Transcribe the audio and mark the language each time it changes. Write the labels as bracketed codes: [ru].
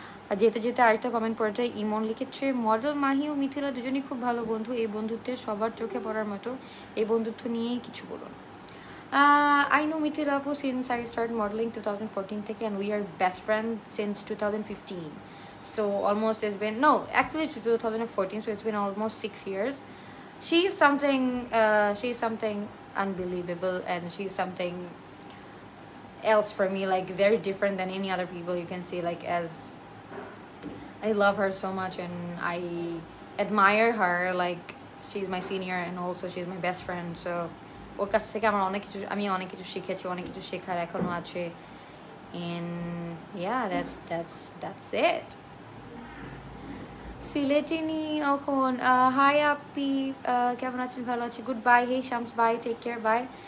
[bn] আর যেতে যেতে আরেকটা কমেন্ট পড়াটা ইমন লিখেছে, মডেল মাহি ও মিথিলা দুজনই খুব ভালো বন্ধু, এই বন্ধুত্বে সবার চোখে পড়ার মতো, এই বন্ধুত্ব নিয়েই কিছু বলুন। [en] I know Mithila আপু since I start modelling 2014 থেকে, and we are best friend since 2015, so almost it's been, no actually 2014, so it's been almost 6 years. She is something unbelievable, and she is something else for me, like very different than any other people you can see, like as I love her so much and I admire her, like she's my senior and also she's my best friend, so [bn] ওর কাছ থেকে আমার অনেক কিছু, আমি অনেক কিছু শিখেছি, অনেক কিছু শেখার এখনো আছে, [en] and yeah, that's it. [bn] সিলেটিনি অখন, হাই আপি কেমন আছেন, ভালো আছি, good bye, hey Shams by, [en] take care [bn] bye.